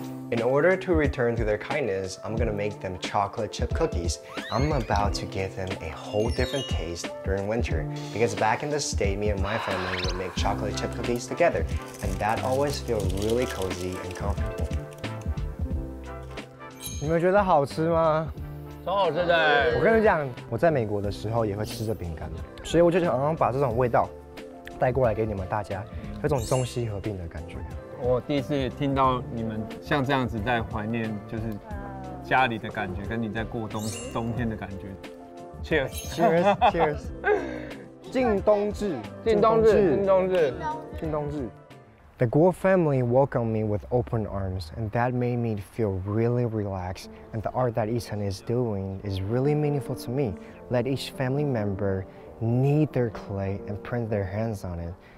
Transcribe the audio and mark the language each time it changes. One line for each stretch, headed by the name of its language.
English: In order to return to their kindness, I'm gonna make them chocolate chip cookies. I'm about to give them a whole different taste during winter. Because back in the state, me and my family would make chocolate chip cookies together, and that always feels really cozy and comfortable.
Chinese: 你们觉得好吃吗？超好吃的。我跟你讲，我在美国的时候也会吃这饼干，所以我就想刚刚把这种味道带过来给你们大家。有种中西合并的感觉。我第一次听到你们像这样子在怀念，就是家里的感觉，跟你在过冬天的感觉。
English: Cheers！
Chinese: 敬冬至！
English: The Kuo family welcomed me with open arms, and that made me feel really relaxed. And the art that Yichen is doing is really meaningful to me. Let each family member knead their clay and print their hands on it.